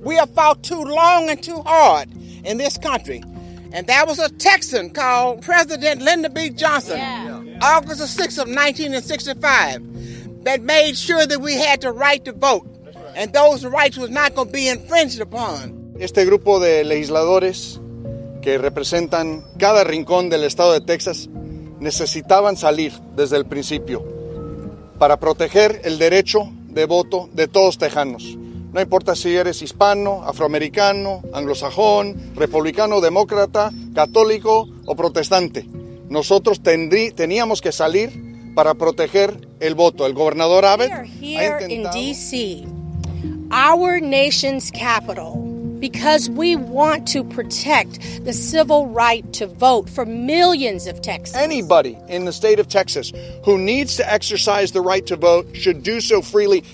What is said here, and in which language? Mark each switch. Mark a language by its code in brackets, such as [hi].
[en] We have fought too long and too hard in this country. And that was a Texan called President Lyndon B. Johnson, August the 6th of 1965, that made sure that we had the right to vote. And those rights was not going to be infringed upon. [es] Este grupo de legisladores que representan cada rincón del estado de Texas necesitaban salir desde el principio para proteger el derecho de voto de todos tejanos. No importa si eres hispano, afroamericano, anglosajón, republicano, demócrata, católico o protestante. Nosotros teníamos que salir para proteger el voto. El gobernador Abbott ha intentado... [en] Here in D.C., our nation's capital, because we want to protect the civil right to vote for millions of Texans. Anybody in the state of Texas who needs to exercise the right to vote should do so freely.